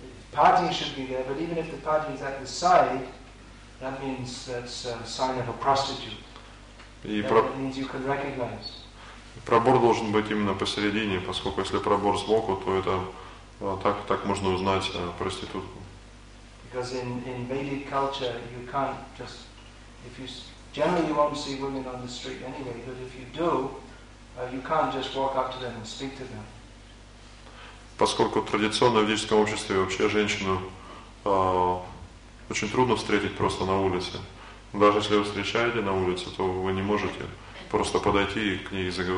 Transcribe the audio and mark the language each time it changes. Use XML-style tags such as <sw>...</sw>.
<en>Parting should be there, but even if the parting is at the side, that means that's a sign of a prostitute. That means you can recognize.</en> <ru>Пробор должен быть именно посередине, поскольку если пробор сбоку, то это так можно узнать проститутку.</ru> <en>Because in Vedic culture, you can't just, if you, generally you won't see women on the street anyway, but if you do, you can't just walk up to them and speak to them.</en> <ru>Поскольку в традиционном ведическом обществе вообще женщину очень трудно встретить просто на улице. Даже если вы встречаете на улице, то вы не можете просто подойти и к ней и</ru>